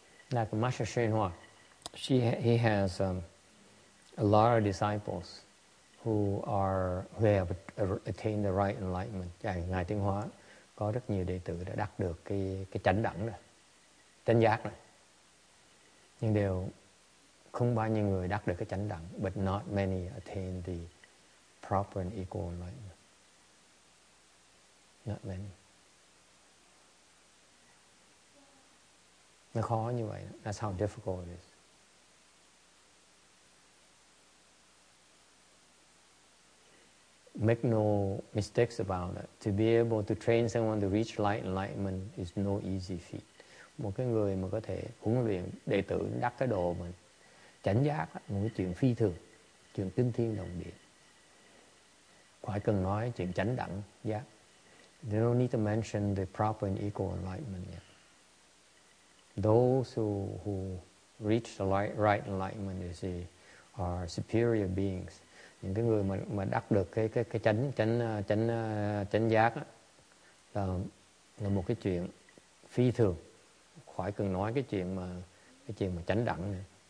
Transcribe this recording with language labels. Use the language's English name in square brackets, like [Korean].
[English] Like Master Shenhua, he has a lot of disciples who have attained the right enlightenment. [Vietnamese] Ngài Tiên Hóa có rất nhiều đệ tử đã đạt được cái chánh đẳng này, chánh giác này. Nhưng đều không bao nhiêu người đạt được cái chánh đẳng, [English] but not many attain the proper and equal enlightenment. Not many. [Vietnamese] Nó khó như vậy. [English] That's how difficult it is. Make no mistakes about it. To be able to train someone to reach light enlightenment is no easy feat. [Vietnamese] Một cái người mà có thể huấn luyện đệ tử đắc cái độ mà chánh giác, một cái chuyện phi thường, chuyện kinh thiên động địa. Phải cần nói chuyện chánh đẳng giác. [English] They don't need to mention the proper and equal enlightenment yet. Those who reach the right enlightenment, you see, are superior beings. [Vietnamese] Những cái người mà đắc được cái chánh giác là một cái chuyện phi thường, khỏi cần nói cái chuyện mà chánh đẳng nữa.